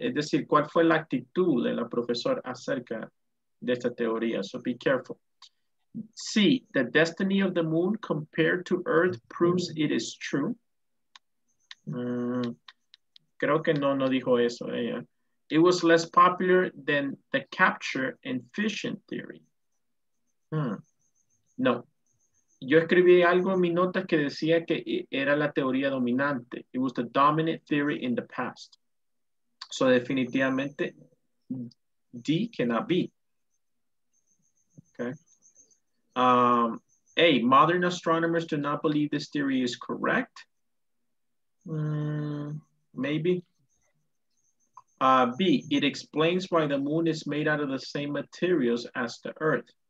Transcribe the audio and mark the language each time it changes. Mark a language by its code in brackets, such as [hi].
[es] Es decir, ¿cuál fue la actitud de la profesora acerca de esta teoría? [en] So be careful. C, the destiny of the moon compared to Earth proves it is true. [es] Creo que no dijo eso ella. [en] It was less popular than the capture and fission theory. [es] No. Yo escribí algo en mi nota que decía que era la teoría dominante. [en] It was the dominant theory in the past. So definitivamente, D cannot be. Okay. A, modern astronomers do not believe this theory is correct. Maybe. B, it explains why the moon is made out of the same materials as the Earth.